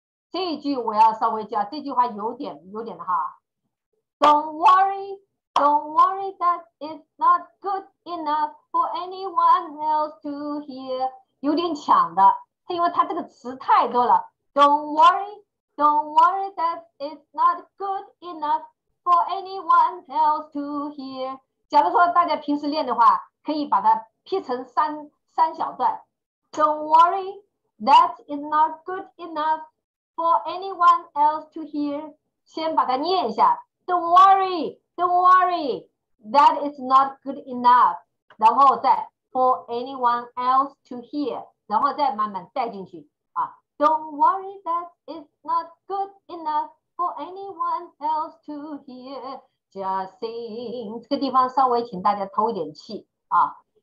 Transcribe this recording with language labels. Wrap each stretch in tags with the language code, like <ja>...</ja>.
<zh>这一句我要稍微教，这句话有点的哈。</zh> <en>Don't worry that it's not good enough for anyone else to hear，</en> <zh>有点抢的，因为它这个词太多了。</zh> <en>Don't worry that it's not good enough for anyone else to hear。</en> <zh>假如说大家平时练的话，可以把它劈成三小段。</zh> <en>Don't worry that it's not good enough。 For anyone else to hear，</en> <zh>先把它念一下。</zh> <en>Don't worry, that is not good enough。</en> <zh>然后再</zh> <en>for anyone else to hear，</en> <zh>然后再慢慢带进去啊。</zh> <en>Don't worry, that is not good enough for anyone else to hear。 Just sing，</en> <zh>这个地方稍微请大家偷一点气啊。</zh>